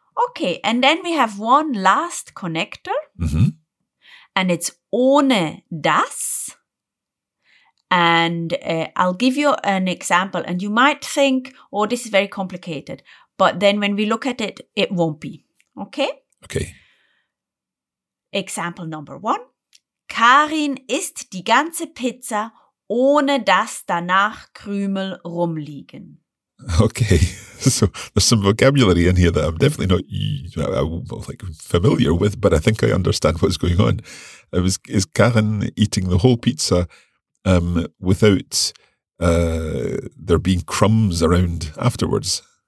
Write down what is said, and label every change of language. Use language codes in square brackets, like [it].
[en] Okay, and then we have one last connector. Mm-hmm. And it's ohne das. And I'll give you an example. And you might think, oh, this is very complicated. But then when we look at it, it won't be. Okay? Okay. Example number one. [de] Karin isst die ganze Pizza, ohne dass danach Krümel rumliegen. [en] Okay. So there's some vocabulary in here that I'm definitely not familiar with, but I think I understand what's going on. Is Karin eating the whole pizza without there being crumbs around afterwards?